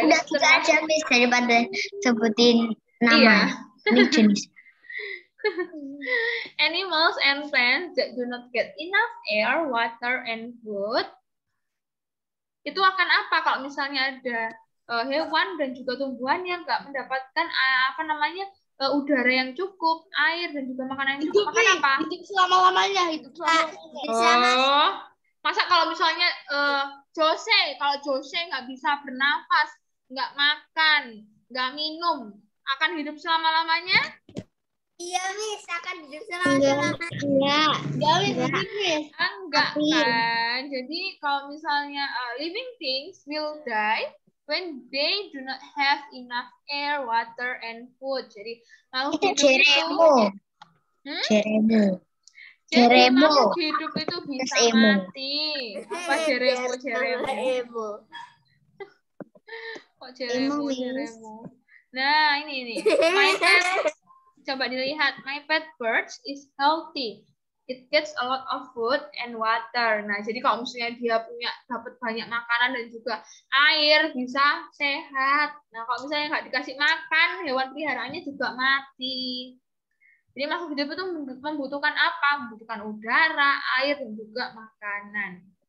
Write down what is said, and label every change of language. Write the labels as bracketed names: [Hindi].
[Indonesian] udah kita aja, Miss, daripada sebutin nama. Ini jenis. [English] Animals and plants that do not get enough air, water, and food. [Indonesian] Itu akan apa kalau misalnya ada hewan dan juga tumbuhan yang nggak mendapatkan apa namanya udara yang cukup, air dan juga makanan yang cukup. Makan apa? Hidup selama-lamanya, hidup selama-lamanya. Masa kalau misalnya Jose, kalau Jose nggak bisa bernafas, nggak makan, nggak minum, akan hidup selama-lamanya? Iya, Miss, akan hidup selama-lamanya. Enggak, kan. Jadi kalau misalnya [English] living things will die when they do not have enough air, water, and food. [Indonesian] Jadi makhluk hidup jeremo. Jeremo. Jadi makhluk hidup itu bisa mati. Apa jeremo, jeremo? Kok jeremo, jeremo? Nah, ini. [English] My pet, [Indonesian] coba dilihat. [English] My pet bird is healthy. It gets a lot of food and water. [Indonesian] Nah, jadi kalau misalnya dia punya dapat banyak makanan dan juga air, bisa sehat. Nah, kalau misalnya nggak dikasih makan, hewan peliharaannya juga mati. Jadi makhluk hidup itu membutuhkan apa? Membutuhkan udara, air, dan juga makanan.